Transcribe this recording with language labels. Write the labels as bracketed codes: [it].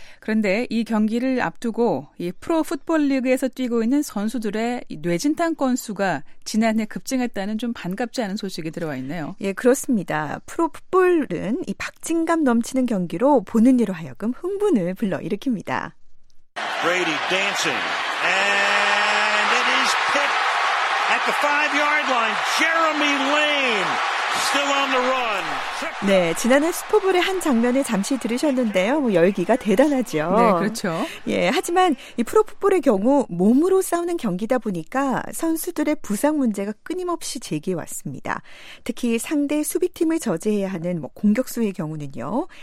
[ko] 그런데 이 경기를 앞두고 이 프로 풋볼 리그에서 뛰고 있는 선수들의 뇌진탕 건수가 지난해 급증했다는 좀 반갑지 않은 소식이 들어와 있네요. 예, 그렇습니다. 프로 풋볼은 이 박진감 넘치는 경기로 보는 이로 하여금 흥분을 불러일으킵니다. [en] Brady dancing and it is picked at the 5-yard line. Jeremy Lane. Still on the run. [ko] 네, 지난해 슈퍼볼의 한 장면을 잠시 들으셨는데요. 뭐 열기가 대단하죠. 네, 그렇죠. 예, 하지만 이 프로풋볼의 경우 몸으로 싸우는 경기다 보니까 선수들의 부상 문제가 끊임없이 제기해왔습니다. 특히 상대 수비팀을 저지해야 하는 뭐 공격수의 경우는요.